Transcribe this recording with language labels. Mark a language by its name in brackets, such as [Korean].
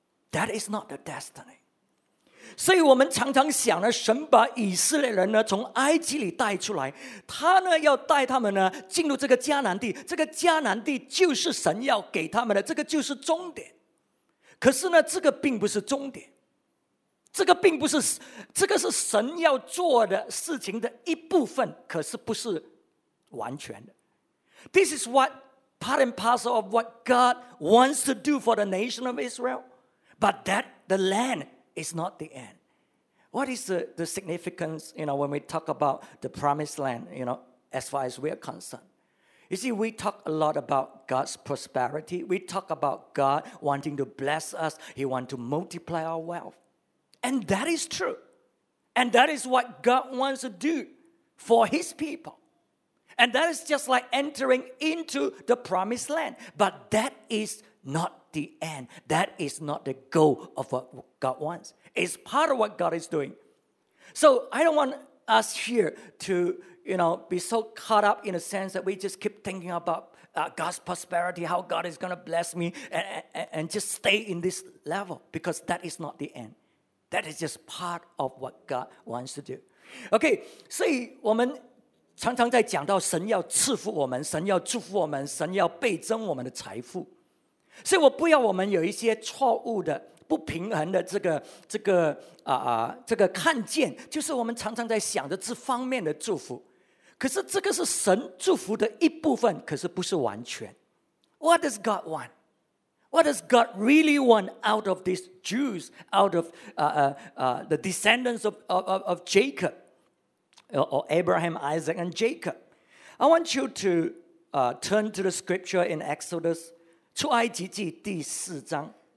[English] That is not the destiny. [Chinese] 所以我们常常想呢，神把以色列人呢从埃及里带出来，他呢要带他们呢进入这个迦南地，这个迦南地就是神要给他们的，这个就是终点。可是呢，这个并不是终点，这个并不是，这个是神要做的事情的一部分，可是不是完全的。 [English] This is what part and parcel of what God wants to do for the nation of Israel, but that the landIt's not the end. What is the significance, you know, when we talk about the promised land, you know, as far as we are concerned? You see, we talk a lot about God's prosperity. We talk about God wanting to bless us. He wants to multiply our wealth. And that is true. And that is what God wants to do for his people. And that is just like entering into the promised land. But that is not the end. That is not the goal of what God wants. It's part of what God is doing. So I don't want us here to, you know, be so caught up in a sense that we just keep thinking about God's prosperity, how God is going to bless me, and just stay in this level, because that is not the end. That is just part of what God wants to do. [Chinese] Okay, 所以我们常常在讲到神要赐福我们，神要祝福我们，神要倍增我们的财富。所以我不要我们有一些错误的不平衡的这个看见，就是我们常常在想着这方面的祝福，可是这个是神祝福的一部分，可是不是完全。 [English] What does God want? What does God really want out of these Jews, out of the descendants of Jacob, or Abraham, Isaac and Jacob? I want you to turn to the scripture in Exodus [Chinese] 出埃及记第四章。